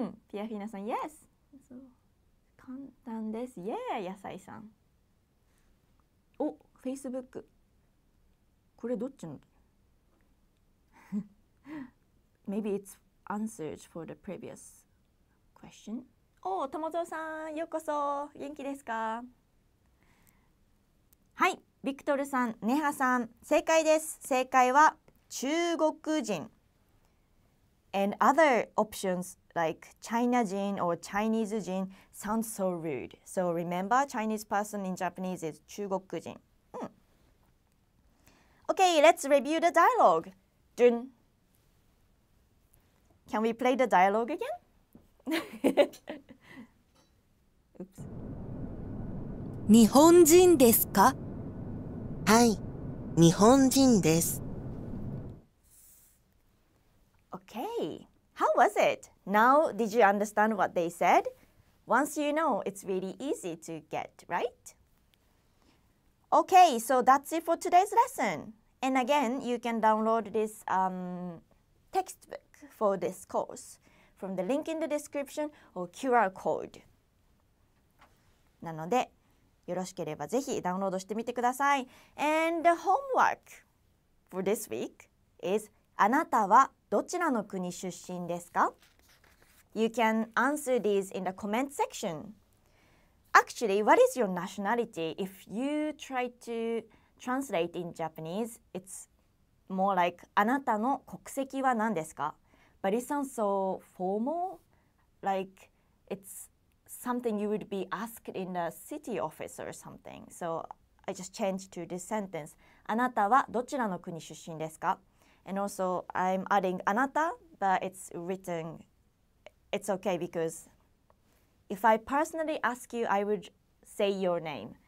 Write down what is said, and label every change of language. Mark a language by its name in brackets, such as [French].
[Japanese] ピアフィナさん、Yes! 簡単です。Yeah! 野菜さん。お、Facebook。これどっちの [English] Maybe it's answered for the previous question. [Japanese] お、友蔵さん、ようこそ。元気ですか? はい、ビクトルさん、ネハさん、正解です。正解は中国人。 [English] And other options like China-jin or Chinese-jin sound so rude. So remember, Chinese person in Japanese is 中国人. Okay, let's review the dialogue. Dun. Can we play the dialogue again? Oops. [Japanese] 日本人ですか? はい、日本人です。 [English] Okay, how was it? Now, did you understand what they said? Once you know, it's really easy to get, right? Okay, so that's it for today's lesson. And again, you can download this textbook for this course from the link in the description or QR code. [Japanese] なので、よろしければぜひダウンロードしてみてください。 [English] And the homework for this week is [Japanese] あなたはどちらの国出身ですか? [English] You can answer these in the comment section. Actually, what is your nationality? If you try to translate in Japanese, it's more like [Japanese] あなたの国籍は何ですか? [English] But it sounds so formal, like it's something you would be asked in the city office or something. So I just changed to this sentence. [Japanese] あなたはどちらの国出身ですか? [English] And also, I'm adding anata, but it's written, it's okay because if I personally ask you, I would say your name.